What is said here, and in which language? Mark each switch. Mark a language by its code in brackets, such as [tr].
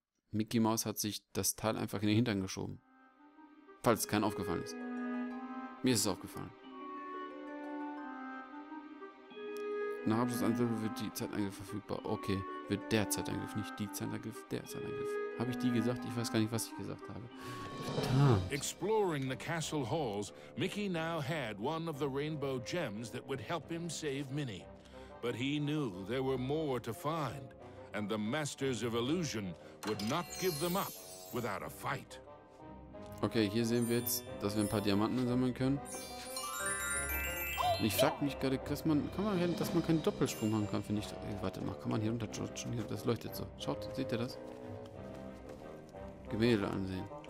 [de] Mickey Mouse hat sich das Teil einfach in den Hintern geschoben. Falls es keinem aufgefallen ist. Mir ist es aufgefallen. Nach Abschlussangriff wird die Zeitangriff verfügbar. Okay, wird der Zeitangriff, nicht die Zeitangriff, der Zeitangriff. Habe ich die gesagt? Ich weiß gar nicht, was ich gesagt habe. [en] Exploring the castle halls, Mickey now had one of the rainbow gems that would help him save Minnie. But he knew there were more to find. And the Masters of Illusion would not give them up without a fight. [de] Okay, hier sehen wir jetzt, dass wir ein paar Diamanten sammeln können. Oh Und ich frag mich gerade, dass man keinen Doppelsprung machen kann, finde ich. Warte mal, kann man hier runter judgen? Das leuchtet so. Schaut, seht ihr das? Gemälde ansehen.